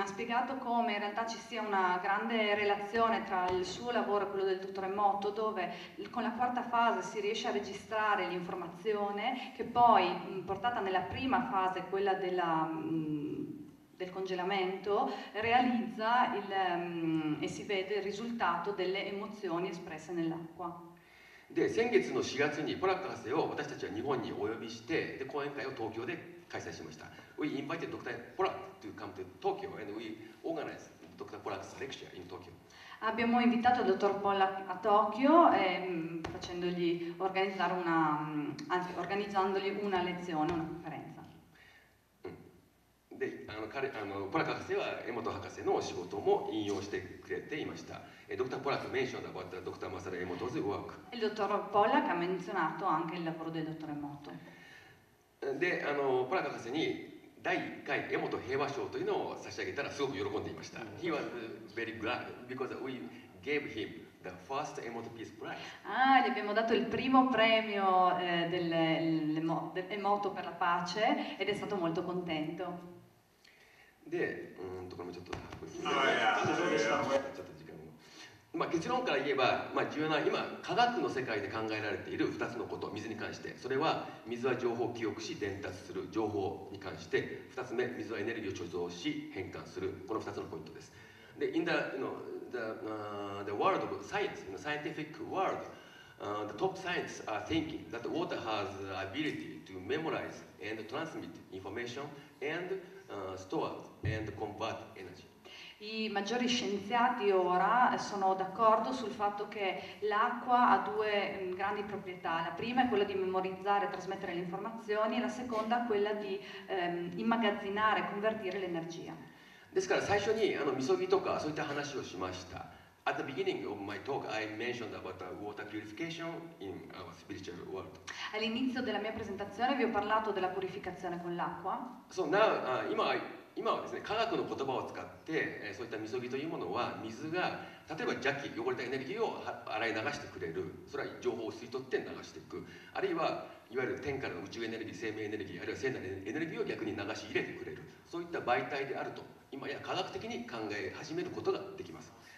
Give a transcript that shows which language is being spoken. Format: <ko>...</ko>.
<it>Ha spiegato come in realtà ci sia una grande relazione tra il suo lavoro e quello del dottor Hiboto, dove con la quarta fase si riesce a registrare l'informazione che poi, portata nella prima fase, quella della del congelamento, realizza il e si vede il risultato delle emozioni espresse nell'acqua.</it> <ja>で、先月の4月にポラック博士を私たちは日本にお呼びして、で、講演会を東京で開催しました。</ja> <en>We invited Dr. Porak to come to Tokyo and we organized Dr. Porak's lecture in Tokyo.</en> <it>Abbiamo invitato il dottor Porak a Tokyo facendogli organizzare una, anzi, organizzandogli una lezione, una conferenza.</it> <ja>で、ポラック博士は江本博士の仕事も引用してくれていました。</ja> <en>Dr. Porak mentioned about Dr. Masaru Emoto's work.</en> <it>Il dottor Porak ha menzionato anche il lavoro del dottor Emoto.</it> <ja>で、ポラック博士に第1回江本平和賞というのを差し上げたらすごく喜んでいました。</ja> <en>He was very glad because we gave him the first Emoto Peace Prize.</en> <it>Ah, gli abbiamo dato il primo premio dell'Emoto per la pace ed è stato molto contento.</it> <ja>で、これもちょっと、ちょっと時間を。まあ結論から言えば、まあ重要な今科学の世界で考えられている2つのこと、水に関して、それは水は情報を記憶し伝達する情報に関して、2つ目、水はエネルギーを貯蔵し変換する、この2つのポイントです。</ja> <en>で、in the you know the world of science, in the scientific world, the top scientists are thinking that water has the ability to memorize and transmit information andstore and convert energy.</en> <it>I maggiori scienziati ora sono d'accordo sul fatto che l'acqua ha due grandi proprietà. La prima è quella di memorizzare e trasmettere le informazioni e la seconda è quella di immagazzinare, convertire l'energia.</it> <ja>ですから最初にみそぎとかそういった話をしました。</ja> <en>At the beginning of my talk, I mentioned about the water purification in our spiritual world.</en> <it>All'inizio della mia presentazione vi ho parlato della purificazione con l'acqua.</it> <en>So now,</en> <ja>今はですね、科学の言葉を使って、そういったみそぎというものは、水が、例えば邪気、汚れたエネルギーを洗い流してくれる、それは情報を吸い取って流していく、あるいは、いわゆる天からの宇宙エネルギー、生命エネルギー、あるいは生なるエネルギーを逆に流し入れてくれる、そういった媒体であると、今や科学的に考え始めることができます。</ja>